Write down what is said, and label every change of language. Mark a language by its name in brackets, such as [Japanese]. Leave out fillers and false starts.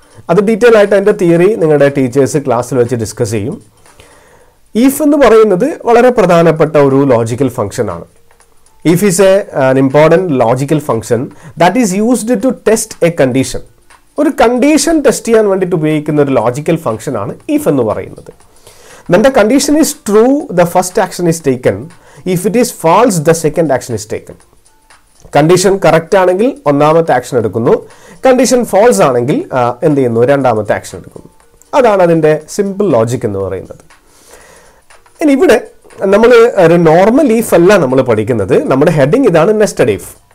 [Malayalam] അത് ഡീറ്റെയിൽ ആയിട്ട് അതിൻ്റെ തിയറി നിങ്ങളുടെ ടീച്ചേഴ്സ് ക്ലാസ്സിൽ വെച്ച് ഡിസ്കസ് ചെയ്യും. ഇഫ് എന്ന് പറയുന്നത് വളരെ പ്രധാനപ്പെട്ട ഒരു ലോജിക്കൽ ഫംഗ്ഷനാണ്. [English] If is a an important logical function that is used to test a condition. [Malayalam] ഒരു കണ്ടീഷൻ ടെസ്റ്റ് ചെയ്യാൻ വേണ്ടിയിട്ട് ഉപയോഗിക്കുന്ന ഒരു ലോജിക്കൽ ഫംഗ്ഷനാണ് ഇഫ് എന്ന് പറയുന്നത്. [English] When the condition is true, the first action is taken. If it is false, the second action is taken. [Malayalam] Condition correct ആണെങ്കിൽ ഒന്നാമത്തെ ആക്ഷൻ എടുക്കുന്നു, കണ്ടീഷൻ ഫാൾസ് ആണെങ്കിൽ എന്ത് ചെയ്യുന്നു, രണ്ടാമത്തെ ആക്ഷൻ എടുക്കുന്നു. അതാണ് അതിൻ്റെ സിമ്പിൾ ലോജിക് എന്ന് പറയുന്നത്. ഇനി ഇവിടെ നമ്മൾ ഒരു നോർമൽ ഇഫ് അല്ല നമ്മൾ പഠിക്കുന്നത്, നമ്മുടെ ഹെഡിങ് ഇതാണ് നെസ്റ്റഡ് ഇഫ്.